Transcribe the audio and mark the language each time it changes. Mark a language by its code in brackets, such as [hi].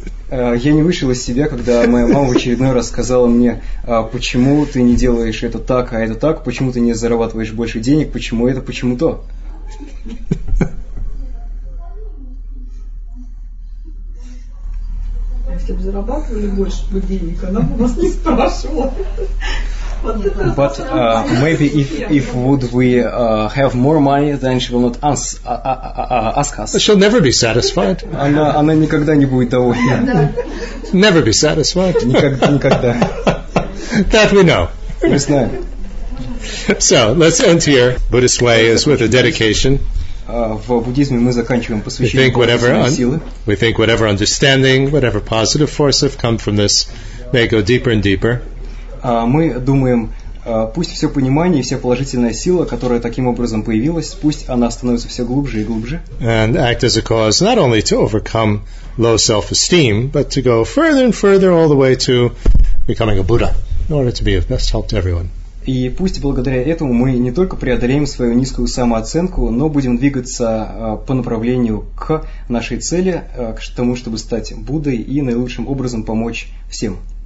[ru] Я не вышел из себя, когда моя мама в очередной раз сказала мне, почему ты не делаешь это так, а это так, почему ты не зарабатываешь больше денег, почему это, почему то. Если бы зарабатывали больше бы денег, она бы вас не спрашивала. [en] But maybe if would we have more money, then she will not ask us. She'll never be satisfied. [ru] Она никогда не будет довольна. [en] Never be satisfied. [ru] Никогда. [en] That we know. [ru] Мы знаем. [en] So let's end here. Buddhist way is with a dedication. [ru] В буддизме мы заканчиваем посвящение. [en] We think whatever understanding, whatever positive force have come from this, may go deeper and deeper. [ru] Мы думаем, пусть все понимание и вся положительная сила, которая таким образом появилась, пусть она становится все глубже и глубже. [en] And act as a cause not only to overcome low self-esteem, but to go further and further all the way to becoming a Buddha. in order to be of best help to everyone. [ru] И пусть благодаря этому мы не только преодолеем свою низкую самооценку, но будем двигаться по направлению к нашей цели, к тому, чтобы стать Буддой и наилучшим образом помочь всем.